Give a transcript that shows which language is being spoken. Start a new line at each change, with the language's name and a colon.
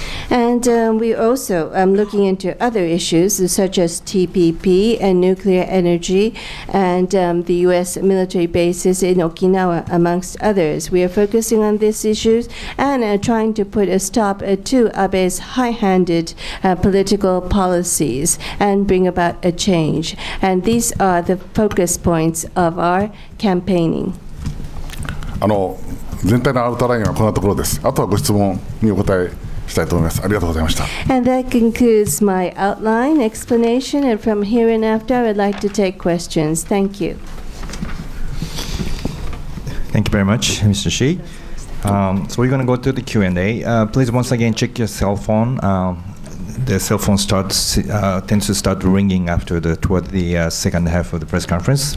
English: And we also looking into other issues such as TPP and nuclear energy and the U.S. military bases in Okinawa, amongst others. We are focusing on these issues and trying to put a stop to Abe's high-handed political policies and bring about a change. And these are the focus points of our campaigning.
Japanese: 全体のアウトラインはこんなところです。あとはご質問にお答えしたいと思います。ありがとうございました。
English: And that concludes my outline explanation. And from here and after, I would like to take questions. Thank you. Thank you very much, Mr. Shii. So we're going to go to the Q&A. Please once again check your cell phone. The cell phone tends to start ringing toward the second half of the press conference.